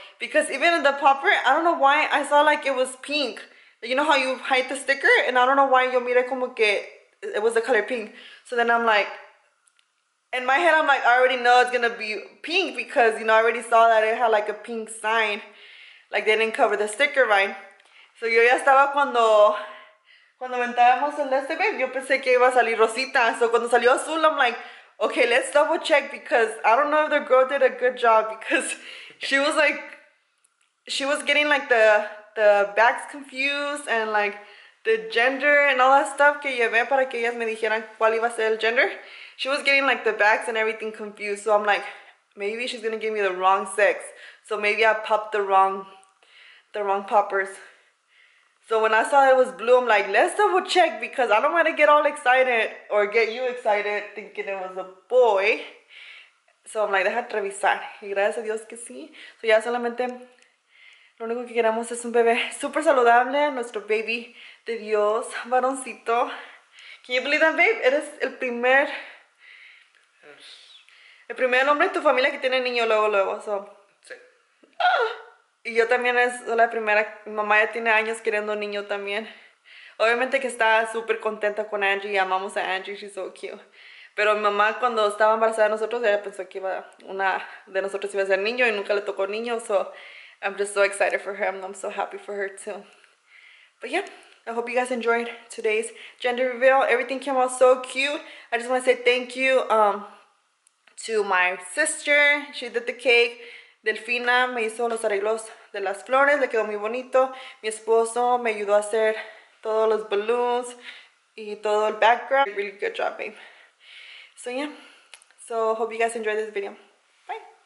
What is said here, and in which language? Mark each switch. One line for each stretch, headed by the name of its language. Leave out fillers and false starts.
English: Because even in the popper, I don't know why I saw like it was pink. You know how you hide the sticker? And I don't know why
Spanish: yo mire como que
English: it was the color pink. So then I'm like, in my head, I'm like, I already know it's gonna be pink because, you know, I already saw that it had like a pink sign. Like, they didn't cover the sticker, right?
Spanish: So, yo ya estaba cuando aventábamos el este, babe, yo pensé que iba a salir rosita.
English: So,
Spanish: cuando salió azul,
English: I'm like, okay, let's double check because I don't know if the girl did a good job because she was like, she was getting like the bags confused and like the gender and all that stuff
Spanish: que llevé para que ellas me dijeran cuál iba a ser el
English: gender. She was getting like the bags and everything confused. So I'm like, maybe she's gonna give me the wrong sex. So maybe I popped the wrong poppers. So when I saw it was blue, I'm like, let's double check because I don't wanna get all excited or get you excited thinking it was a boy. So I'm like,
Spanish: deja revisar. Y gracias a Dios que sí. So ya solamente, lo único que queremos es un bebé super saludable, nuestro baby de Dios, varoncito.
English: Can you believe that, babe?
Spanish: Eres el primer. El primer hombre en tu familia que tiene niño luego, so. Sí. Y yo también soy la primera. Mi mamá ya tiene años queriendo un niño también. Obviamente que está súper contenta con Angie. Y amamos a Angie,
English: she's so cute.
Spanish: Pero mi mamá cuando estaba embarazada de nosotros, ella pensó que iba una de nosotros iba a ser niño y nunca le tocó niño.
English: So, I'm just so excited for her. I'm so happy for her too. But yeah, I hope you guys enjoyed today's gender reveal. Everything came out so cute. I just want to say thank you, to my sister. She did the cake.
Spanish: Delfina me hizo los arreglos de las flores, le quedó muy bonito. Mi esposo me ayudó a hacer todos los balloons y todo el background.
English: Really good job, babe. So yeah, so hope you guys enjoyed this video. Bye.